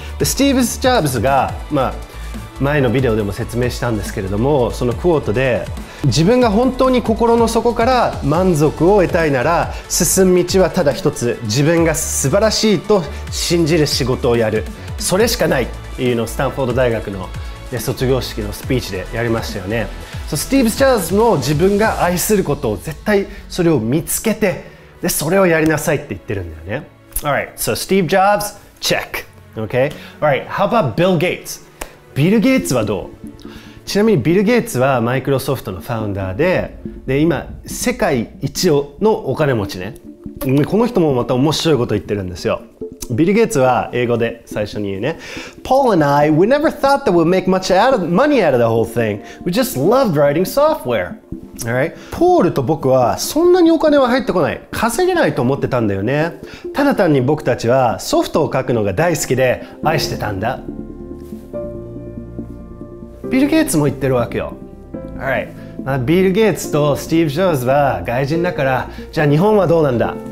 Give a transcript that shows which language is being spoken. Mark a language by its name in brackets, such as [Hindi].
[Japanese] で、スティーブ・ジョブズが、まあ、前のビデオでも説明したんですけれども、そのクォートで、自分が本当に心の底から満足を得たいなら進む道はただ一つ、自分が素晴らしいと信じる仕事をやる、それしかないというのをスタンフォード大学の卒業式のスピーチでやりましたよね。そう、スティーブ・ジョブズも自分が愛することを絶対それを見つけて、で、それをやりなさいって言ってるんだよね。 [English] Alright, so Steve Jobs, check. Okay, alright, how about Bill Gates? [Japanese] ビル・ゲイツはどう？ちなみにビル・ゲイツはマイクロソフトのファウンダーで、で、今世界一のお金持ちね。この人もまた面白いこと言ってるんですよ。ビル・ゲイツは英語で最初に言うね。 [English] Paul and I, we never thought that we'd make much money out of the whole thing. We just loved writing software. Alright. [Japanese] ポールと僕はそんなにお金は入ってこない、稼げないと思ってたんだよね。ただ単に僕たちはソフトを書くのが大好きで愛してたんだ。ビル・ゲイツも言ってるわけよ。 [English] Alright. [Japanese] まあ、ビル・ゲイツとスティーブ・ジョブズは外人だから、じゃあ日本はどうなんだ。